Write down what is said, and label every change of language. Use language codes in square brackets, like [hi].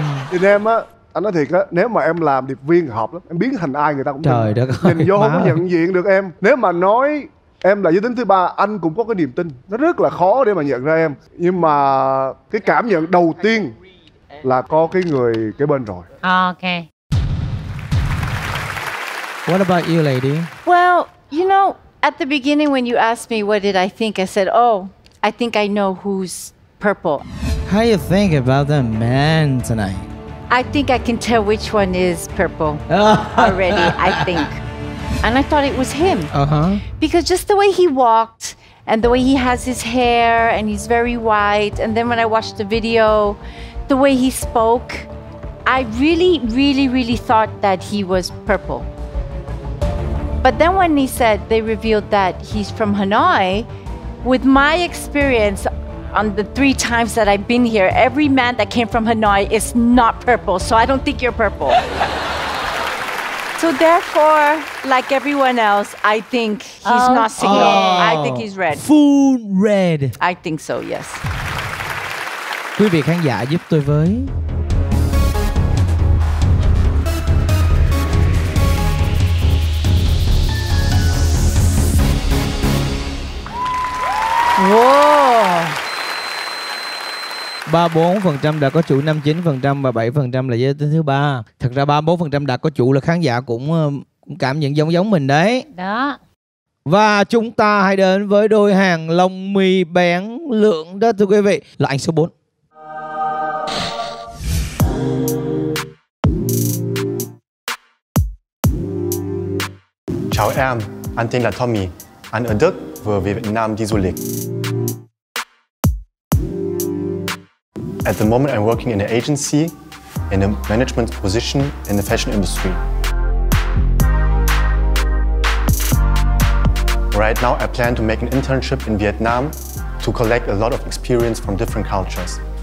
[vi] Thì em á, anh nói thiệt á, nếu mà em làm điệp viên hợp lắm, em biến thành ai người ta cũng trời đất ơi, nhìn vô không có nhận diện được em. Nếu mà nói em là giới tính thứ ba, anh cũng có cái niềm tin. Nó rất là khó để mà nhận ra em. Nhưng mà cái cảm nhận đầu tiên là có cái người kế bên rồi. [en] Ok. What about you, lady? Well, you know, at the beginning when you asked me what did I think, I said, oh, I think I know who's purple. How you think about the man tonight? I think I can tell which one is purple already, I think. And I thought it was him. Uh-huh. Because just the way he walked and the way he has his hair and he's very white. And then when I watched the video, the way he spoke, I really, really, really thought that he was purple. But then when he said they revealed that he's from Hanoi, with my experience on the three times that I've been here, every man that came from Hanoi is not purple. So I don't think you're purple. So therefore, like everyone else, I think he's not single. Oh. I think he's red. Full red. I think so, yes. [vi] Quý vị khán giả giúp tôi với. [en] Wow. [vi] 34% đã có chủ, 59% và 7% là giới tính thứ ba. Thật ra 34% đã có chủ là khán giả cũng cảm nhận giống giống mình đấy. Đó. Và chúng ta hãy đến với đôi hàng lông mì bén lượng đó thưa quý vị, là anh số 4. Chào em, anh tên là Tommy, anh ở Đức vừa về Việt Nam đi du lịch. [en] At the moment, I'm working in an agency in a management position in the fashion industry. Right now, I plan to make an internship in Vietnam to collect a lot of experience from different cultures.